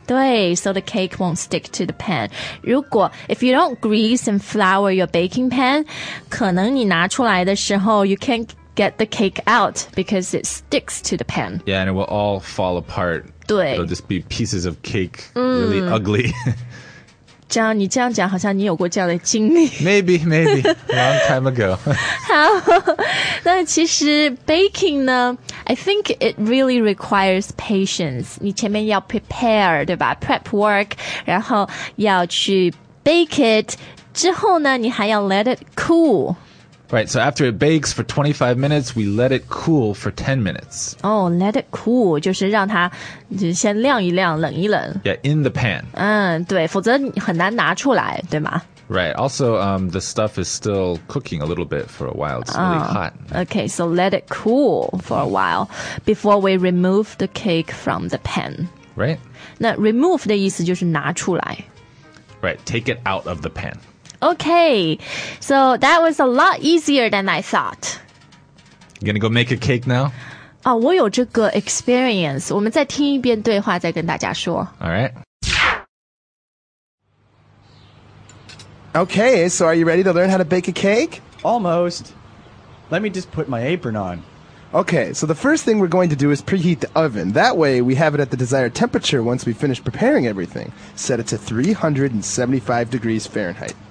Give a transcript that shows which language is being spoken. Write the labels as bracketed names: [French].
[English] 对 ，so the cake won't stick to the pan. 如果 if you don't grease and flour your baking pan, [Chinese] 可能你拿出来的时候 [English] you can't. Get the cake out because it sticks to the pan. Yeah, and it will all fall apart. [Chinese] 对 [English] It'll just be pieces of cake, really ugly. [Chinese] 这样你这样讲，好像你有过这样的经历。 [English] Maybe, long time ago. 好， [Chinese] 那其实 [English] baking 呢 ，I think it really requires patience. [Chinese] 你前面要 prepare 对吧 ？Prep work， 然后要去 bake it， 之后呢，你还要 [English] let it cool. Right, so after it bakes for 25 minutes, we let it cool for 10 minutes. [Chinese] Oh, [English] let it cool, [Chinese] 就是让它先晾一晾，冷一冷。 [English] Yeah, in the pan. [Chinese] 对，否则很难拿出来，对吗？ [English] Right, also, the stuff is still cooking a little bit for a while. It's really hot. Okay, so let it cool for a while before we remove the cake from the pan. Right. [Chinese] 那 remove 的意思就是拿出来。 [English] Right, take it out of the pan. Okay, so that was a lot easier than I thought. You gonna go make a cake now? [Chinese] 啊，我有这个 experience. 我们再听一遍对话，再跟大家说。 [English] All right. Okay, so are you ready to learn how to bake a cake? Almost. Let me just put my apron on. Okay, so the first thing we're going to do is preheat the oven. That way, we have it at the desired temperature once we finish preparing everything. Set it to 375 degrees Fahrenheit.